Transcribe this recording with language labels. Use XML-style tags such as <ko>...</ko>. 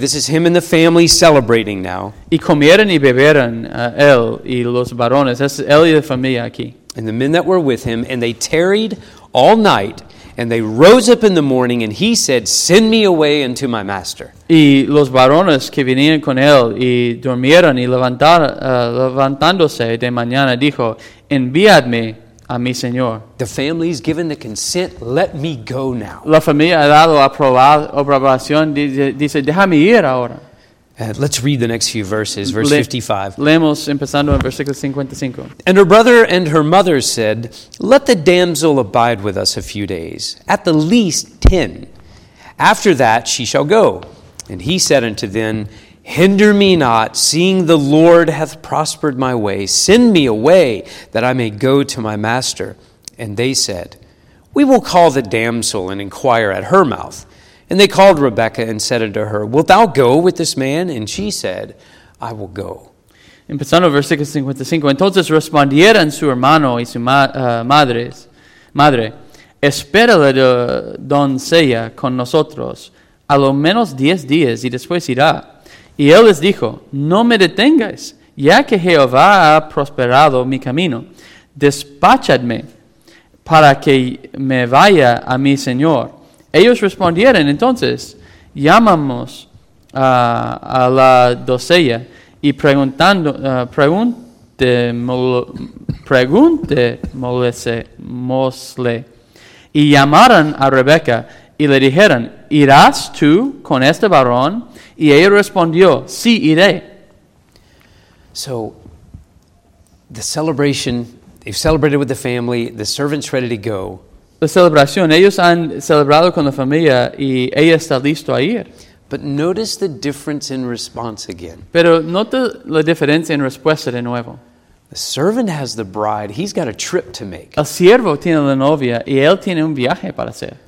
<en>This is him and the family celebrating now.</en> <es>Y comieron y beberon él y los varones. Es él y la familia aquí.</es> <en>And the men that were with him, and they tarried all night, and they rose up in the morning, and he said, send me away unto my master.</en> <es>Y los varones que venían con él y durmieron y levantándose de mañana dijo, envíadme a mi señor.</es> <en>The family's given the consent. Let me go now.</en> <es>La familia ha dado aprobación. Dice, déjame ir ahora.</es> <en>Let's read the next few verses. Verse 55.</en> <es>Leemos empezando en versículo 55.</es> <en>And her brother and her mother said, let the damsel abide with us a few days, at the least 10. After that she shall go. And he said unto them, hinder me not, seeing the Lord hath prospered my way. Send me away, that I may go to my master. And they said, we will call the damsel and inquire at her mouth. And they called Rebekah and said unto her, wilt thou go with this man? And she said, I will go.</en> <es>Empezando versículo 55. Entonces respondieron su hermano y su madre, espera la doncella con nosotros a lo menos 10 días y después irá. Y él les dijo, no me detengáis, ya que Jehová ha prosperado mi camino. Despachadme para que me vaya a mi señor. Ellos respondieron, entonces, llamamos a la doncella y preguntémosle. Y llamaron a Rebeca y le dijeron, ¿irás tú con este varón? Y ella respondió, sí, iré.</es> <en>So, the celebration, they've celebrated with the family, the servant's ready to go.</en> <es>La celebración, ellos han celebrado con la familia y ella está listo a ir.</es> <en>But notice the difference in response again.</en> <es>Pero nota la diferencia en respuesta de nuevo.</es> <en>The servant has the bride. He's got a trip to make.</en> <es>El siervo tiene la novia y él tiene un viaje para hacer.</es>